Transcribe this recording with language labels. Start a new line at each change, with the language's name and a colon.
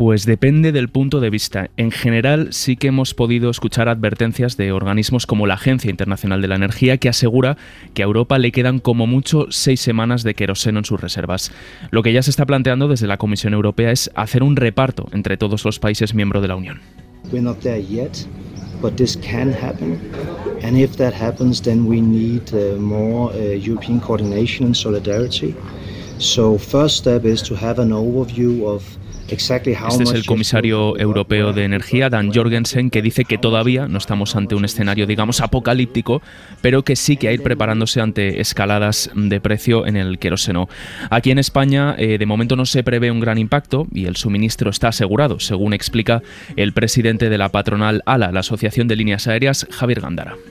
Spanish: Pues depende del punto de vista. En general, sí que hemos podido escuchar advertencias de organismos como la Agencia Internacional de la Energía, que asegura que a Europa le quedan como mucho 6 semanas de queroseno en sus reservas. Lo que ya se está planteando desde la Comisión Europea es hacer un reparto entre todos los países miembro de la Unión.
English: We're not there yet, but this can happen. And if that happens, then we need more European coordination and solidarity. So first step is to have an overview of.
Spanish: Este es el comisario europeo de Energía, Dan Jorgensen, que dice que todavía no estamos ante un escenario, digamos, apocalíptico, pero que sí que hay preparándose ante escaladas de precio en el queroseno. Aquí en España, de momento no se prevé un gran impacto y el suministro está asegurado, según explica el presidente de la patronal ALA, la Asociación de Líneas Aéreas, Javier Gandara.